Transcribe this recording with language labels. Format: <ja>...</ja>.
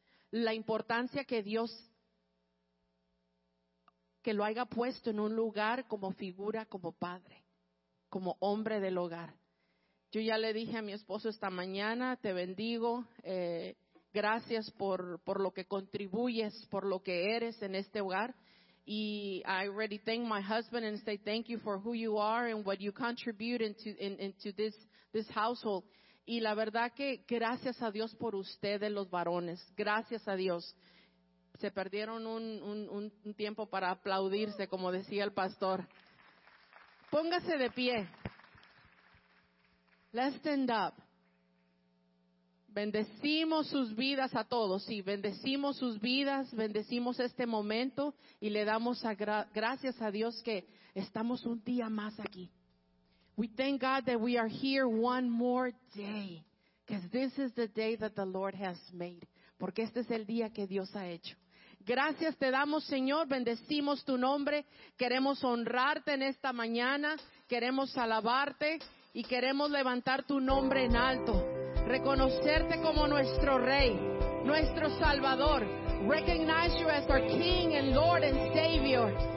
<es>La importancia que Dios que lo haya puesto en un lugar como figura, como padre, como hombre del hogar. Yo ya le dije a mi esposo esta mañana, te bendigo, gracias por lo que contribuyes, por lo que eres en este hogar.</es> <en>Y I already thank my husband and say thank you for who you are and what you contribute into this household.</en> <es>Y la verdad que gracias a Dios por ustedes los varones, gracias a Dios. Se perdieron un tiempo para aplaudirse, como decía el pastor. Póngase de pie.</es> <en>Let's stand up.</en> <es>Bendecimos sus vidas a todos. Sí, bendecimos sus vidas, bendecimos este momento y le damos gracias a Dios que estamos un día más aquí.</es> <en>We thank God that we are here one more day. Because this is the day that the Lord has made.</en> <es>Porque este es el día que Dios ha hecho. Gracias te damos, Señor, bendecimos tu nombre, queremos honrarte en esta mañana, queremos alabarte y queremos levantar tu nombre en alto, reconocerte como nuestro Rey, nuestro Salvador.</es> <en>Recognize you as our King and Lord and Savior.</en>